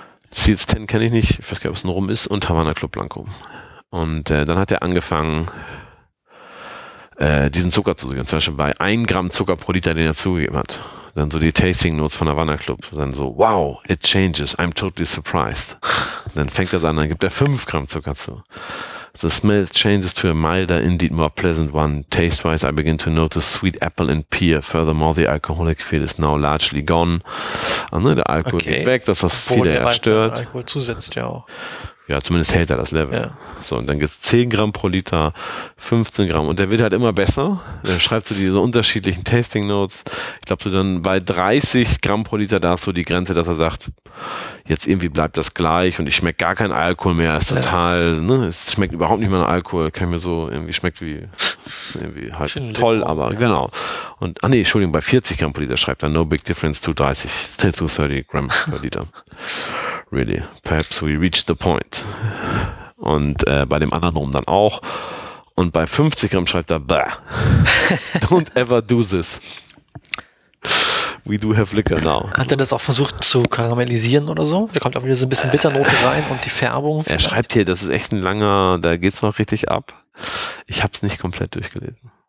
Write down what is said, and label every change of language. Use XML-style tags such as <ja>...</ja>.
<de>Seals 10 kenne ich nicht. Ich weiß gar nicht, ob es ein Rum ist. Und Havanna Club Blanco. Und dann hat er angefangen, diesen Zucker zu suchen. Zum Beispiel bei 1 Gramm Zucker pro Liter, den er zugegeben hat. Dann so die Tasting Notes von Havanna Club. Dann so,</de> <en>wow, it changes. I'm totally surprised.</en> <de>Und dann fängt das an, dann gibt er 5 Gramm Zucker zu.</de> <en>The smell changes to a milder, indeed more pleasant one. Taste-wise, I begin to notice sweet apple and pear. Furthermore, the alcoholic feel is now largely gone.</en> <de>Und ne, der Alkohol geht weg, dass das viele ja stört. Alkohol zusetzt ja auch. Ja, zumindest hält er das Level. Ja. So, und dann gibt es 10 Gramm pro Liter, 15 Gramm. Und der wird halt immer besser. Dann schreibst du diese unterschiedlichen Tasting Notes. Ich glaube, so dann bei 30 Gramm pro Liter, da hast du die Grenze, dass er sagt, jetzt irgendwie bleibt das gleich und ich schmecke gar keinen Alkohol mehr. Ist total, ne, es schmeckt überhaupt nicht mehr nach Alkohol. Kann ich mir so irgendwie schmeckt wie irgendwie halt schön toll, Lippen, aber ja. Genau. Und, ah nee, Entschuldigung, bei 40 Gramm pro Liter schreibt er,</de> <en>no big difference to 30,</en> <de>to 30 Gramm pro Liter.</de> <en>Really, perhaps we reached the point.</en> <de>Und bei dem anderen rum dann auch. Und bei 50 Gramm schreibt er,</de> <en>bah, don't ever do this. We do have liquor now.</en> <de>Hat er das auch versucht zu karamellisieren oder so? Da kommt auch wieder so ein bisschen Bitternote rein und die Färbung. Vielleicht? Er schreibt hier, das ist echt ein langer, da geht's noch richtig ab. Ich habe es nicht komplett durchgelesen.</de>